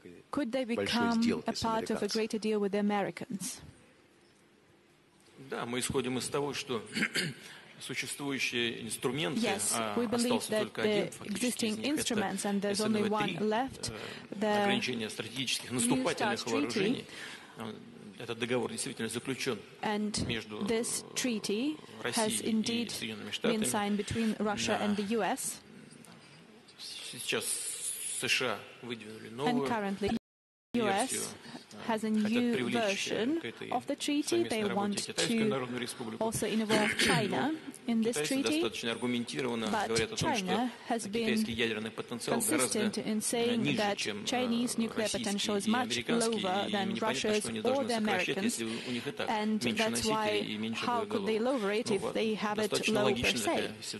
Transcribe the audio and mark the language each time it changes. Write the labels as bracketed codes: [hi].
[en] Could they become a part of a greater deal with the Americans? [ru] Да, мы исходим из того, что существующие инструменты остался только один, фактически из них это СНВ-3, ограничение стратегических наступательных вооружений. Этот договор действительно заключен [en] and [ru] между Россией и Соединенными Штатами. [en] Been signed between Russia and the US. [ru] Сейчас США выдвинули новую [en] and currently US has a new version of the treaty. They want to also involve China in this treaty. But China has been consistent in saying that Chinese nuclear potential is much lower than Russia's or the Americans, and that's why how could they lower it if they have it low per se?